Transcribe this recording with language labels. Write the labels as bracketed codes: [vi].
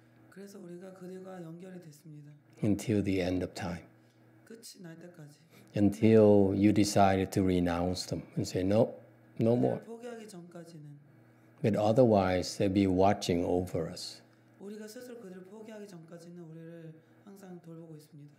[ko] 그래서 우리가 그들과 연결이 됐습니다. [en] Until the end of time. [ko] 끝이 날 때까지. [en] Until you decided to renounce them and say no, no more. [ko] 포기하기 전까지는. [en] But otherwise, they'll be watching over us. [ko] 우리가 스스로 그들을 포기하기 전까지는 우리를 항상 돌보고 있습니다.